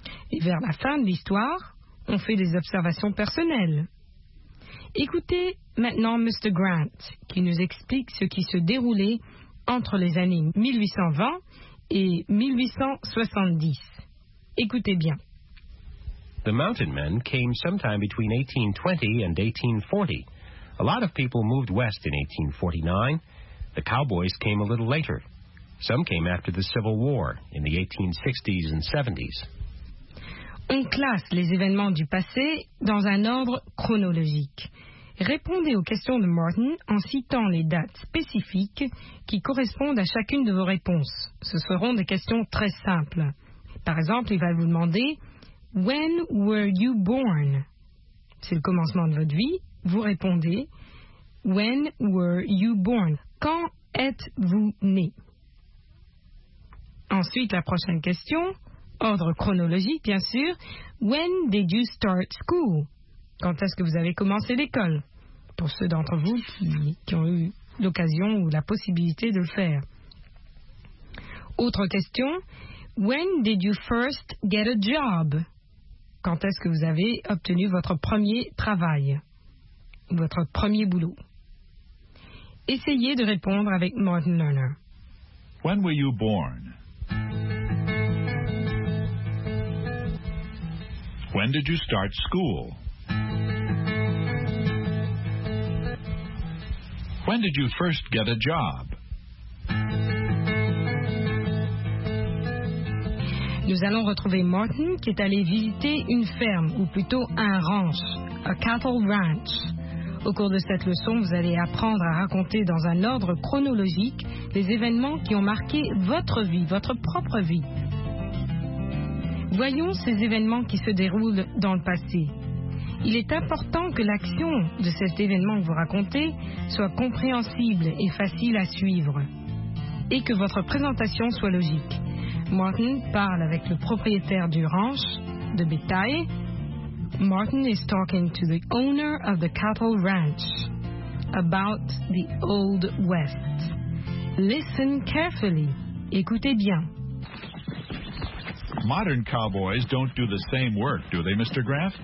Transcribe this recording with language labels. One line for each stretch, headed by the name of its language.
French: Et vers la fin de l'histoire, on fait des observations personnelles. Écoutez maintenant Mr. Grant, qui nous explique ce qui se déroulait entre les années 1820 et 1870. Écoutez bien.
English: The mountain men came sometime between 1820 and 1840. A lot of people moved west in 1849. The cowboys came a little later. Some came after the Civil War in the 1860s and 70s.
French: On classe les événements du passé dans un ordre chronologique. Répondez aux questions de Martin en citant les dates spécifiques qui correspondent à chacune de vos réponses. Ce seront des questions très simples. Par exemple, il va vous demander «
English: When were you born ?»
French: C'est le commencement de votre vie. Vous répondez «
English: When were you born ?»
French: Quand êtes-vous né ? Ensuite, la prochaine question, ordre chronologique bien sûr, «
English: When did you start school ?»
French: Quand est-ce que vous avez commencé l'école ? Pour ceux d'entre vous qui ont eu l'occasion ou la possibilité de le faire. Autre question, «
English: When did you first get a job ?»
French: Quand est-ce que vous avez obtenu votre premier travail ? Votre premier boulot. Essayez de répondre avec Martin Lerner.
English: When were you born? When did you start school? When did you first get a job?
French: Nous allons retrouver Martin qui est allé visiter une ferme, ou plutôt un ranch, a cattle ranch. Au cours de cette leçon, vous allez apprendre à raconter dans un ordre chronologique les événements qui ont marqué votre vie, votre propre vie. Voyons ces événements qui se déroulent dans le passé. Il est important que l'action de cet événement que vous racontez soit compréhensible et facile à suivre, et que votre présentation soit logique. Martin parle avec le propriétaire du ranch de bétail.
English: Martin is talking to the owner of the cattle ranch about the Old West. Listen carefully.
French: Écoutez bien.
English: Modern cowboys don't do the same work, do they, Mr. Graff?